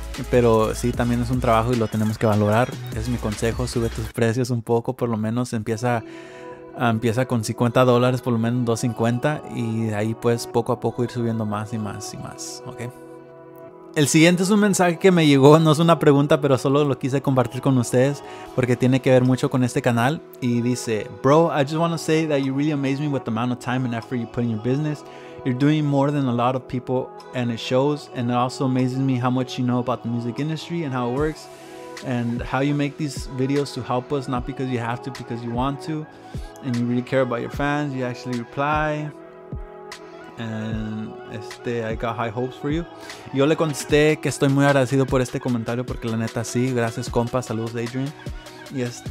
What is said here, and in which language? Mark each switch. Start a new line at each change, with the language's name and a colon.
Spanish: Pero sí, también es un trabajo y lo tenemos que valorar. Es mi consejo, sube tus precios un poco, por lo menos empieza con $50, por lo menos $2.50, y de ahí pues poco a poco ir subiendo más y más y más, ¿ok? El siguiente es un mensaje que me llegó, no es una pregunta, pero solo lo quise compartir con ustedes porque tiene que ver mucho con este canal. Y dice, bro,
English: I just want to say that you really amaze me with the amount of time and effort you put in your business. You're doing more than a lot of people and it shows, and it also amazes me how much you know about the music industry and how it works and how you make these videos to help us, not because you have to, because you want to. And you really care about your fans, you actually reply. And I got high hopes for you.
Spanish: Yo le contesté que estoy muy agradecido por este comentario, porque la neta sí, gracias compa, saludos Adrian. Y